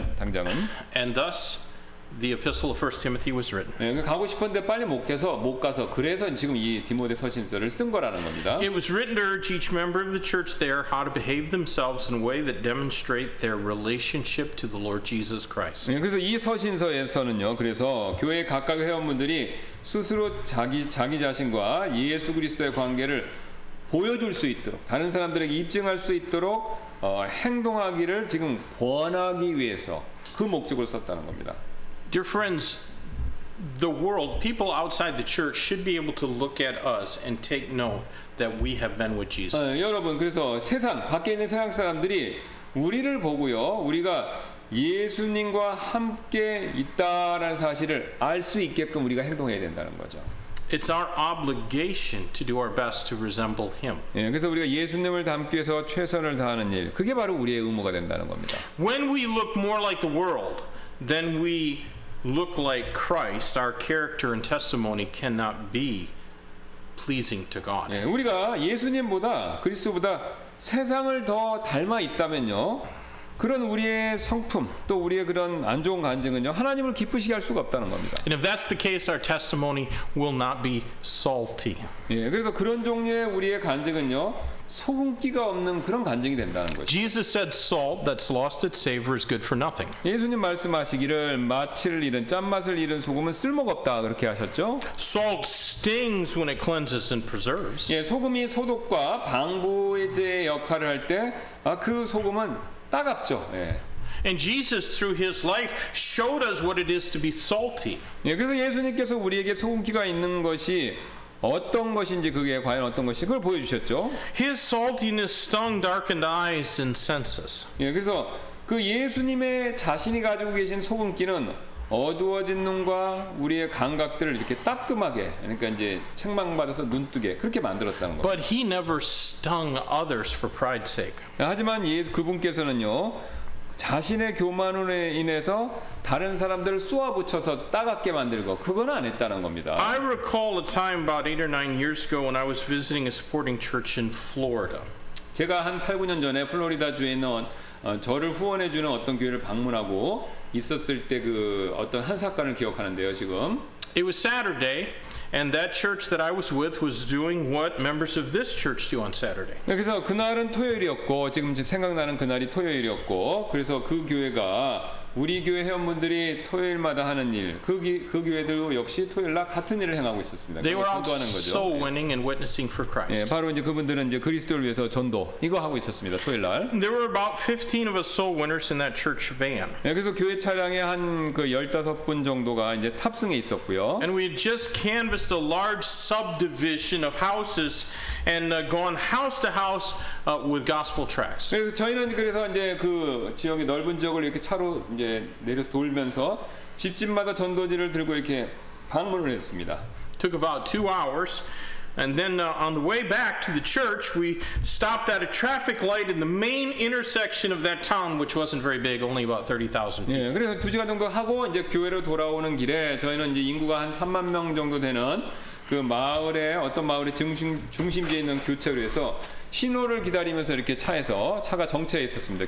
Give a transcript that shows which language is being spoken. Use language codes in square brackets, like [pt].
[ko] 당장은. [en] And thus the epistle of 1 Timothy was written. [ko] 예, 가고 싶은데 빨리 못 가서 그래서 지금 이 디모데 서신서를 쓴 거라는 겁니다. [en] It was written to urge each member of the church there how to behave themselves in a way that demonstrate their relationship to the Lord Jesus Christ. [ko] 예, 그래서 이 서신서에서는요. 그래서 교회 각각의 회원분들이 스스로 자기 자신과 예수 그리스도의 관계를 보여줄 수 있도록 다른 사람들에게 입증할 수 있도록 행동하기를 지금 권하기 위해서 그 목적을 썼다는 겁니다. [en] Dear friends, the world, people outside the church should be able to look at us and take note that we have been with Jesus. [ko] 여러분, 그래서 세상 밖에 있는 세상 사람들이 우리를 보고요, 우리가 예수님과 함께 있다라는 사실을 알 수 있게끔 우리가 행동해야 된다는 거죠. [en] It's our obligation to do our best to resemble Him. [ko] 예, 그래서 우리가 예수님을 닮기 위해서 최선을 다하는 일, 그게 바로 우리의 의무가 된다는 겁니다. [en] When we look more like the world, then we look like Christ. Our character and testimony cannot be pleasing to God. [ko] 예, 우리가 예수님보다 그리스도보다 세상을 더 닮아 있다면요, 그런 우리의 성품 또 우리의 그런 안 좋은 간증은요 하나님을 기쁘시게 할 수가 없다는 겁니다. [en] And if that's the case, our testimony will not be salty. [ko] 예, 그래서 그런 종류의 우리의 간증은요 소금기가 없는 그런 간증이 된다는 거죠. [en] Jesus said, "Salt that's lost its savor is good for nothing." [ko] 예수님 말씀하시기를 맛을 잃은 짠맛을 잃은 소금은 쓸모가 없다 그렇게 하셨죠. [en] Salt stings when it cleanses and preserves. [ko] 예, 소금이 소독과 방부제 역할을 할 때 그 소금은 따갑죠. 예. [en] And Jesus through his life showed us what it is to be salty. [ko] 예, 그래서 예수님께서 우리에게 소금기가 있는 것이 어떤 것인지 그게 과연 어떤 것이 그걸 보여 주셨죠. [en] His saltiness stung darkened eyes and senses. [ko] 예, 그래서 그 예수님의 자신이 가지고 계신 소금기는 어두워진 눈과 우리의 감각들을 이렇게 따끔하게 그러니까 이제 책망받아서 눈뜨게 그렇게 만들었다는 거예요. [en] But he never stung others for pride's sake. [ko] 하지만 예수 그분께서는요 자신의 교만으로 인해서 다른 사람들을 쏘아붙여서 따갑게 만들고 그건 안 했다는 겁니다. [en] I recall a time about 8 or 9 years ago when I was visiting a supporting church in Florida. [ko] 제가 한 8, 9년 전에 플로리다 주에 있는 저를 후원해 주는 어떤 교회를 방문하고 있었을 때 그 어떤 한 사건을 기억하는데요, 지금. [en] It was Saturday and that church that I was with was doing what members of this church do on Saturday. [ko] 그래서 그날은 토요일이었고 지금 생각나는 그날이 토요일이었고 그래서 그 교회가 우리 교회 회원분들이 토요일마다 하는 일, 그 교회들도 역시 토요일날 같은 일을 행하고 있었습니다. [en] They were out soul winning and witnessing for Christ. [ko] 예, 바로 이제 그분들은 이제 그리스도를 위해서 전도 이거 하고 있었습니다. 토요일날. [en] There were about 15 of us soul winners in that church van. [ko] 예, 그래서 교회 차량에 한 그 15분 정도가 이제 탑승해 있었고요. [en] And we had just canvassed a large subdivision of houses and gone house to house with gospel tracts. [ko] 그래서 저희는 그래서 이제 그 지역의 넓은 지역을 이렇게 차로 이제 내려서 돌면서 집집마다 전도지를 들고 이렇게 방문을 했습니다. [en] Took about 2 hours, and then on the way back to the church, we stopped at a traffic light in the main intersection of that town, which wasn't very big, only about 30,000 people. [ko] 예, 그래서 2시간 정도 하고 이제 교회로 돌아오는 길에 저희는 이제 인구가 한 3만 명 정도 되는 그 마을의 어떤 마을의 중심지에 있는 교체로 해서 신호를 기다리면서 이렇게 차에서 차가 정체해 있었습니다.